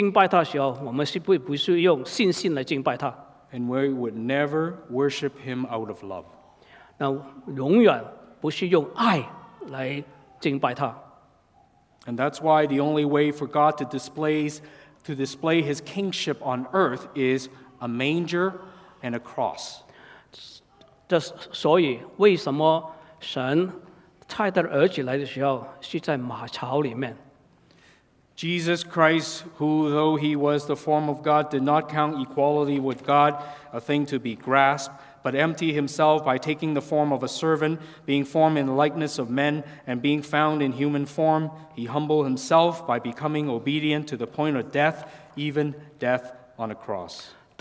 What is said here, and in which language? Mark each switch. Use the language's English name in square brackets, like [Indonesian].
[Chinese] 但是我们不是因为他强壮，那敬拜他的时候，我们是不是用信心来敬拜他。 [English] And we would never worship him out of love. [Chinese] 那永远不是用爱来敬拜他。 [English] And that's why the only way for God to display his kingship on earth is a manger and a cross. [Chinese] 所以为什么神差他儿子来的时候是在马槽里面。 [English] Jesus Christ, who though he was the form of God, did not count equality with God a thing to be grasped, but emptied himself by taking the form of a servant, being formed in the likeness of men, and being found in human form, he humbled himself by becoming obedient to the point of death, even death on a cross.